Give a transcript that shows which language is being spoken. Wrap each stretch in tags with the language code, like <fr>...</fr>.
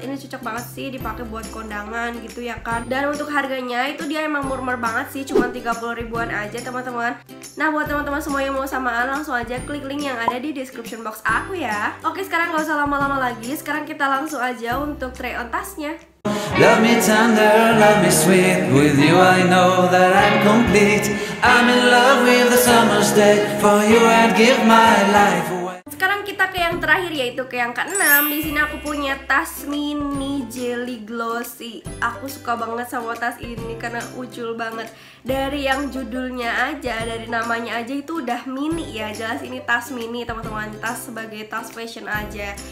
<id>Ini cocok banget sih dipakai buat kondangan gitu ya kan. Dan untuk harganya itu dia emang murmer banget sih, cuman 30 ribuan aja, teman-teman. Nah, buat teman-teman semua yang mau samaan, langsung aja klik link yang ada di description box aku ya. Oke, sekarang gak usah lama-lama lagi, sekarang kita langsung aja untuk</id> <en>try on</en> <id>tasnya.</id> <en>Love me tender, love me sweet, with you I know that I'm complete. I'm in love with the summer's day, for you I'd give my life away.</en> <id>Sekarang kita ke yang terakhir, yaitu ke yang ke-6. Di sini aku punya tas mini jelly glossy. Aku suka banget sama tas ini karena ucul banget. Dari yang judulnya aja, dari namanya aja itu udah mini ya. Jelas ini tas mini, teman-teman. Tas sebagai tas fashion aja.</id>